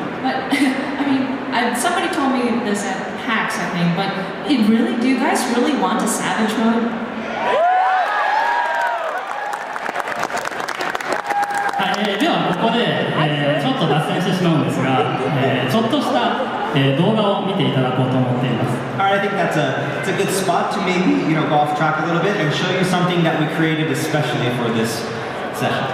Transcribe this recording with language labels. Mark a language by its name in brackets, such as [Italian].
[English] But I mean somebody told me this at PAX I think but it really, do you guys really want a savage mode? [Japanese] ではここで、ちょっと脱線してしまうんですが、ちょっとした、動画を見ていただこうと思っています。 [English] Alright, I think that's a good spot to maybe, you know, go off track a little bit and show you something that we created especially for this session.